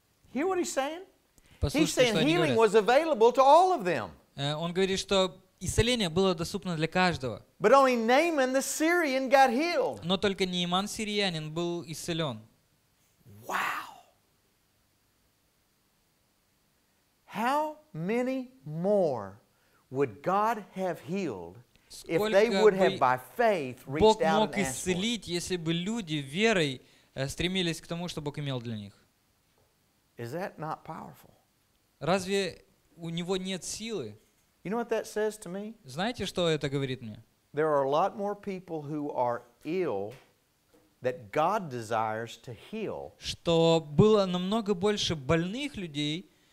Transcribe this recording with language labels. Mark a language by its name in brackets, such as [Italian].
[English] Hear what he's saying? [Russian] Послушайте, [English] he's saying [Russian] что [English] healing [Russian] они говорят. [English] Was available to all of them. [Russian] Он говорит, что исцеление было доступно для каждого. [English] But only Naaman, the Syrian, got healed. [Russian] Но только Нейман, сириянин, был исцелен. [English] Wow. How many more would God have healed if they would have by faith reached out and asked? [Russian] Бог мог исцелить, если бы люди верой стремились к тому, что Бог имел для них. [English] Is that not powerful? [Russian] Разве у него нет силы? [English] You know what that says to me? [Russian] Знаете, что это говорит мне? [English] There are a lot more people who are ill that God desires to heal. [Russian] Что было намного больше больных людей.